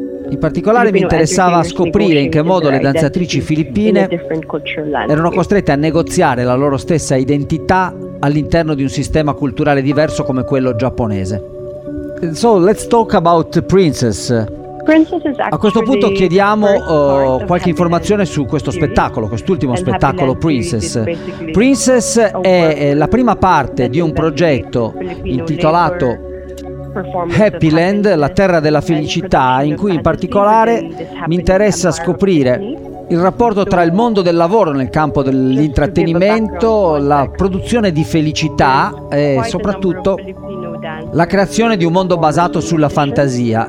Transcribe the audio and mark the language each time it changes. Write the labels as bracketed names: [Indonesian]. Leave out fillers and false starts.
[Italian] In particolare mi interessava scoprire in che modo le danzatrici filippine erano costrette a negoziare la loro stessa identità all'interno di un sistema culturale diverso come quello giapponese. [English] So let's talk about Princess. [Italian] A questo punto chiediamo qualche informazione su questo spettacolo, quest'ultimo spettacolo Princess. Princess è la prima parte di un progetto intitolato Happy Land, la terra della felicità, in cui in particolare mi interessa scoprire il rapporto tra il mondo del lavoro nel campo dell'intrattenimento, la produzione di felicità e soprattutto la creazione di un mondo basato sulla fantasia.